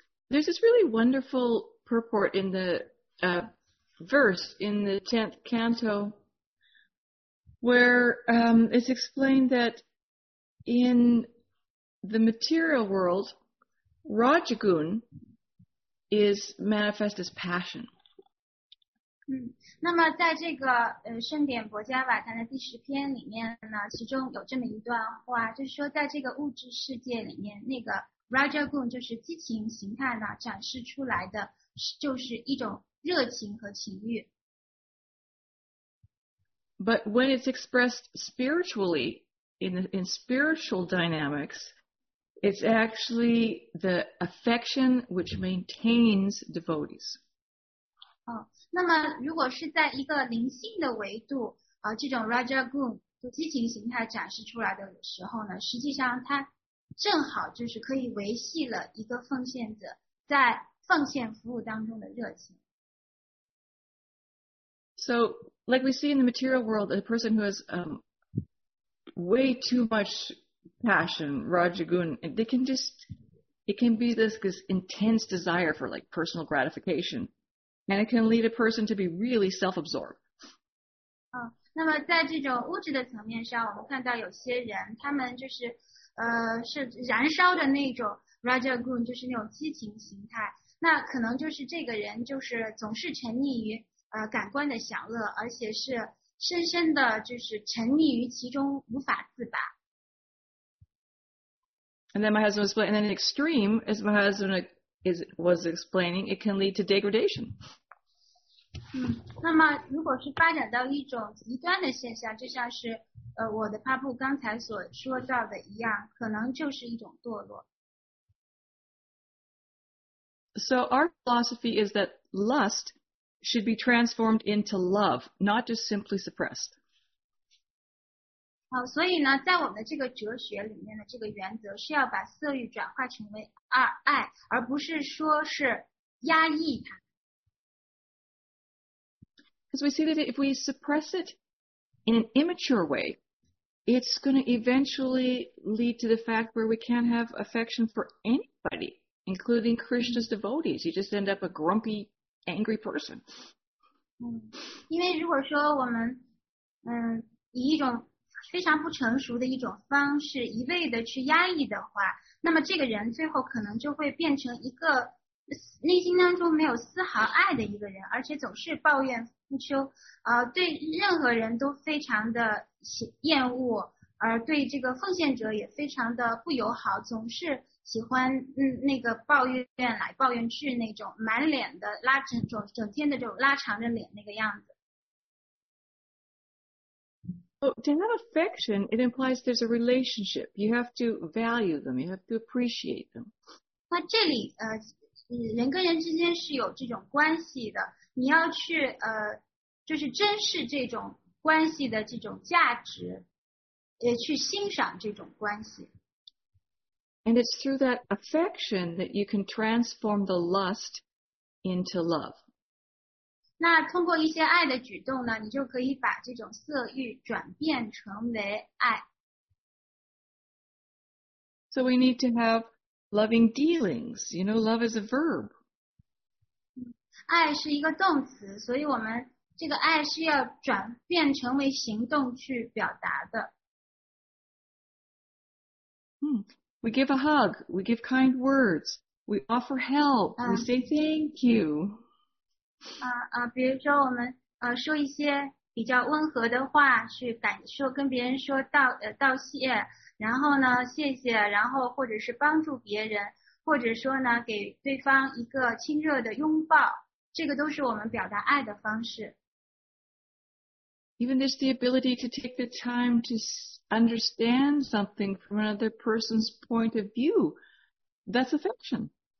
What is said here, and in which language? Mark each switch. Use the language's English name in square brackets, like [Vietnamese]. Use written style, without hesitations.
[English] There's this really wonderful purport in the verse in the 10th canto where it's explained that in the material world, Rajagun is manifest as passion. [Chinese] 那么在这个圣典薄伽瓦坛的第十篇里面呢，其中有这么一段话，就是说在这个物质世界里面，那个 Rajagun 就是激情形态呢，展示出来的就是一种热情和情欲。 [English] But when it's expressed spiritually in spiritual dynamics, it's actually the affection which maintains devotees. [Chinese] 那么如果是在一个灵性的维度这种 Rajagun 的激情形态展示出来的时候呢，实际上它正好就是可以维系了一个奉献者在奉献服务当中的热情。 [English] So, like we see in the material world, a person who has way too much passion, Rajagun, they can just, it can be this intense desire for like personal gratification. And it can lead a person to be really self-absorbed. [Chinese] 那么在这种物质的层面上，我们看到有些人，他们就是，是燃烧的那种 Rajagun， 就是那种激情形态。那可能就是这个人就是总是沉溺于感官的享乐，而且是深深的，就是沉溺于其中无法自拔。 [English] And then my husband explained, and then extreme is my husband. Was explaining it can lead to degradation. [Chinese] 那么如果是发展到一种极端的现象，就像是我的帕布刚才所说到的一样，可能就是一种堕落。 [English] So our philosophy is that lust should be transformed into love, not just simply suppressed. [Chinese] 好，所以呢，在我们的这个哲学里面的这个原则是要把色欲转化成为爱，而不是说是压抑它。 [English] Because we see that if we suppress it in an immature way, it's going to eventually lead to the fact where we can't have affection for anybody, including Krishna's devotees. You just end up a grumpy, angry person. [Chinese] 因为如果说我们以一种非常不成熟的一种方式一味的去压抑的话，那么这个人最后可能就会变成一个内心当中没有丝毫爱的一个人，而且总是抱怨不休，对任何人都非常的厌恶，而对这个奉献者也非常的不友好，总是喜欢那个抱怨来抱怨去，那种满脸的拉整天的这种拉长着脸那个样子。 [English] So, to have affection, it implies there's a relationship. You have to value them. You have to appreciate them. [Chinese] 那这里人跟人之间是有这种关系的，你要去就是珍视这种关系的这种价值，也去欣赏这种关系。 [English] And it's through that affection that you can transform the lust into love. [Chinese] 那通过一些爱的举动呢，你就可以把这种色欲转变成为爱。 [English] So we need to have loving dealings. You know, love is a verb. [Chinese] 爱是一个动词，所以我们这个爱是要转变成为行动去表达的。 [English] We give a hug, we give kind words, we offer help, we say thank you. [Chinese] 比如说我们说一些比较温和的话，去感受跟别人说道谢，然后呢谢谢，然后或者是帮助别人，或者说呢给对方一个亲热的拥抱，这个都是我们表达爱的方式。 [English] Even just the ability to take the time to understand something from another person's point of view, that's affection.